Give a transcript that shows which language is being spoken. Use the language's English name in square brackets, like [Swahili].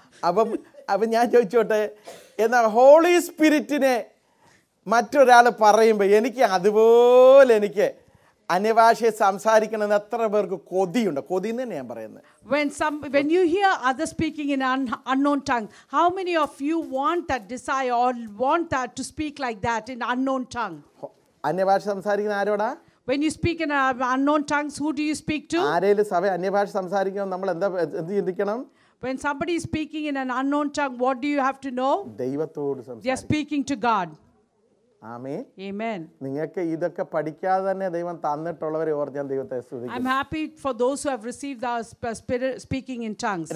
[Malayalam] Avan naan choichote enna holy spirit ne മറ്റൊരാൾ പറയുമ്പോൾ എനിക്ക് അതുപോലെ എനിക്ക് അന്യഭാഷയെ സംസാരിക്കണം എന്ന് എത്ര പേർക്ക് കൊതിയുണ്ട്. കൊതി എന്ന് തന്നെ ഞാൻ പറയുന്നത്. [English] When you hear others speaking in unknown tongue, how many of you want that desire or want that to speak like that in unknown tongue? [Malayalam] അന്യഭാഷ സംസാരിക്കുന്ന ആരോടാ? [English] When you speak in unknown tongues, who do you speak to? [Malayalam] ആരെയെങ്കിലും സഭ അന്യഭാഷ സംസാരിക്കുമ്പോൾ നമ്മൾ എന്ത് ചിന്തിക്കണം? [English] When somebody is speaking in an unknown tongue, what do you have to know? [Malayalam] ദൈവത്തോട് സംസാരിക്കുക. [English] You are speaking to God. [Malayalam] ആമേൻ. ആമേൻ. നിങ്ങൾക്ക് ഇതൊക്കെ പഠിക്കാതെ തന്നെ ദൈവം തന്നിട്ടുള്ളവരെ ഓർത്ത് ഞാൻ ദൈവത്തെ സ്തുതിക്കുന്നു. [English] I'm happy for those who have received the spirit speaking in tongues.